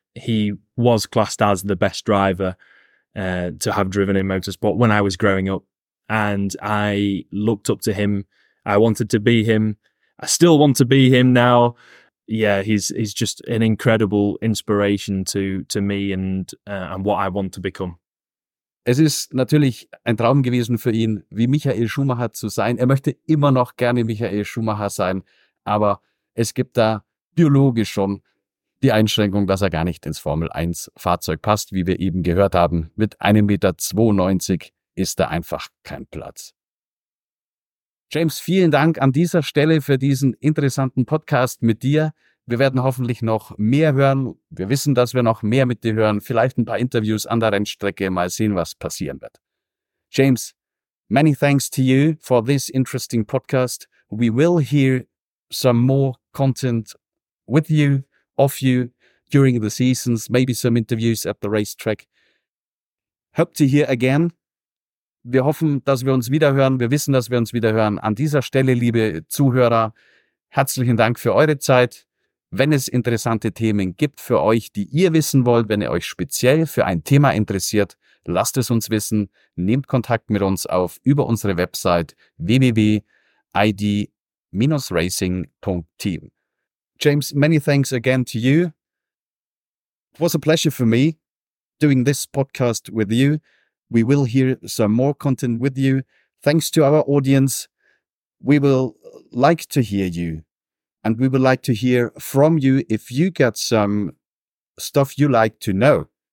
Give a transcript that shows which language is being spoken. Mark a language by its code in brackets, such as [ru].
[en] He was classed as the best driver to have driven in motorsport when I was growing up. And I looked up to him. I wanted to be him. I still want to be him now. Yeah, he's just an incredible inspiration to me and what I want to become. [de] Es ist natürlich ein Traum gewesen für ihn, wie Michael Schumacher zu sein. Er möchte immer noch gerne Michael Schumacher sein, aber es gibt da biologisch schon die Einschränkung, dass er gar nicht ins Formel 1 Fahrzeug passt, wie wir eben gehört haben. Mit 1,92 Meter ist da einfach kein Platz. James, vielen Dank an dieser Stelle für diesen interessanten Podcast mit dir. Wir werden hoffentlich noch mehr hören. Wir wissen, dass wir noch mehr mit dir hören. Vielleicht ein paar Interviews an der Rennstrecke. Mal sehen, was passieren wird. [en] James, many thanks to you for this interesting podcast. We will hear some more content with you, of you, during the seasons. Maybe some interviews at the racetrack. Hope to hear again. [de] Wir hoffen, dass wir uns wiederhören. Wir wissen, dass wir uns wiederhören. An dieser Stelle, liebe Zuhörer, herzlichen Dank für eure Zeit. Wenn es interessante Themen gibt für euch, die ihr wissen wollt, wenn ihr euch speziell für ein Thema interessiert, lasst es uns wissen. Nehmt Kontakt mit uns auf über unsere Website www.id-racing.team. [en] James, many thanks again to you. It was a pleasure for me doing this podcast with you. We will hear some more content with you. Thanks to our audience. We will like to hear you. And we would like to hear from you if you got some stuff you like to know.